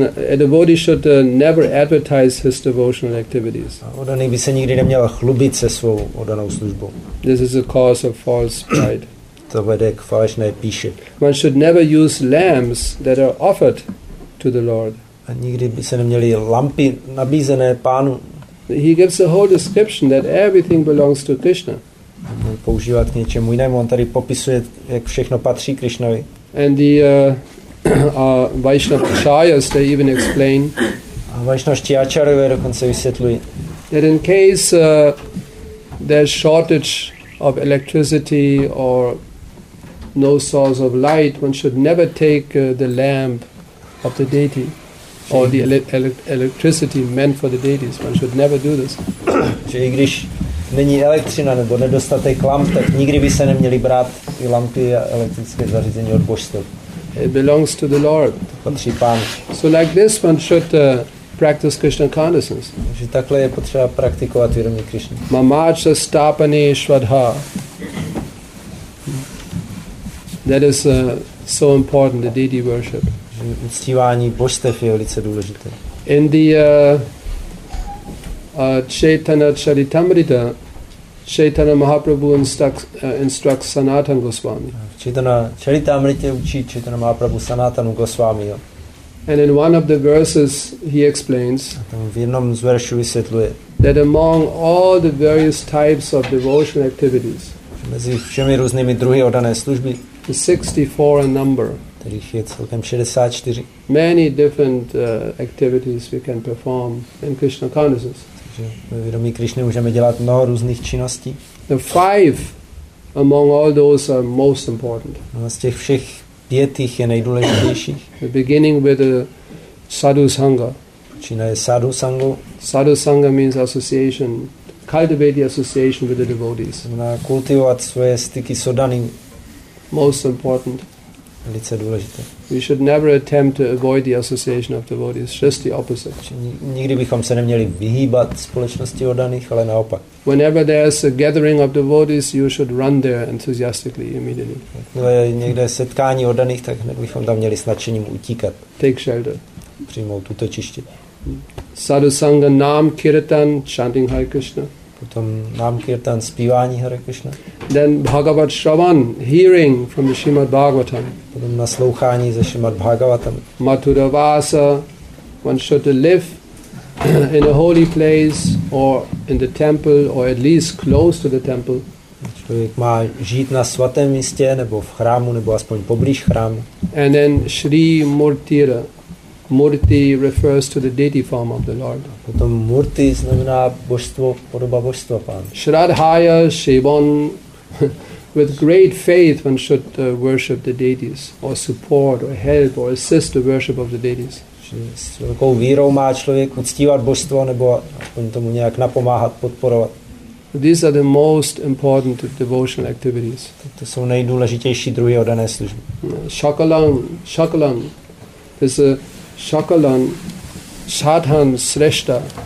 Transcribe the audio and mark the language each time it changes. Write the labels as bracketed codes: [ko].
[en] A devotee should never advertise his devotional activities. [cs] Oddaný by se nikdy neměl chlubit se svou oddanou službou. [en] This is a cause of false pride. [cs] To vede k falešné píše. [en] One should never use lamps that are offered to the Lord. [cs] A nikdy by se neměly lampy nabízené pánu. [en] He gives a whole description that everything belongs to Krishna. [cs] Může používat k něčemu jinému. On tady popisuje, jak všechno patří Krišnovi. [en] And the Vaishnava acharyas, they even explain. [cs] A Vaishnavští acharyové dokonce vysvětlují. [en] That in case there's shortage of electricity or no source of light, one should never take the lamp of the deity or the electricity meant for the deities. One should never do this. [cs] Že i když není elektřina nebo nedostatek lamp, tak nikdy by se neměly brát i lampy a elektrické zařízení od božstev. [en] It belongs to the Lord. [cs] Patří pánu. [en] So like this one should practice Krishna consciousness. [cs] Že takhle je potřeba praktikovat vědomí Krišny. Mamacha stapani shvadha. [en] That is so important, the deity worship. [cs] Že uctívání božstev je velice důležité. [en] In the Chaitanya Charitamrita, Chaitanya Mahaprabhu instructs Sanatan Goswami. [cs] Chaitanya Charitamrita učí Chaitanya Mahaprabhu Sanatanu Goswami. [en] And in one of the verses he explains [cs] v jednom z veršů vysvětluje, [en] that among all the various types of devotional activities, [cs] mezi všemi různými druhy oddané služby, [en] 64 in number, [cs] kterých je celkem 64, [en] many different activities we can perform in Krishna consciousness. [cs] Takže ve vědomí Krišny můžeme dělat mnoho různých činností. [en] The five among all those are most important. [cs] No, z těch všech pětých je nejdůležitější. [en] Beginning with the sadhu sangha. [cs] Počínaje sadhu sangha. [en] Sadhu sangha means association. Cultivate the association with the devotees. [cs] Na kultivovat svoje styky s oddanými. [en] Most important. [cs] Velice důležité. [en] We should never attempt to avoid the association of devotees. Just the opposite. [cs] Nikdy bychom se neměli vyhýbat společnosti oddaných, ale naopak. [en] Whenever there's a gathering of devotees, you should run there enthusiastically immediately. [cs] Jakmile někde setkání oddaných, tak hned bychom tam měli s nadšením utíkat. [en] Take shelter. [cs] Přijmout útočiště. [en] Sadhu sangha nam kirtan, chanting Hare Krishna. [cs] Potom nám kirtan, zpívání Hare Krishna. [en] Then Bhagavad Shravan, hearing from the Srimad Bhagavatam. [cs] Potom naslouchání ze Srimad Bhagavatam. [en] Mathura Vasa, one should live in a holy place or in the temple or at least close to the temple. [cs] Člověk má žít na svatém místě nebo v chrámu nebo aspoň poblíž chrámu. [en] And then Shri Murtira. Murti refers to the deity form of the Lord. [cs] Potom murti znamená božstvo, podoba božstva pán. [en] Shraddhaya Shivam, with great faith one should worship the deities or support or help or assist the worship of the deities. [cs] S velkou vírou má člověk uctívat božstvo nebo aspoň tomu nějak napomáhat, podporovat. [en] These are the most important devotional activities. To jsou nejdůležitější druhy oddané služby. Shakalam is a Shakalan Shadhan Sreshta.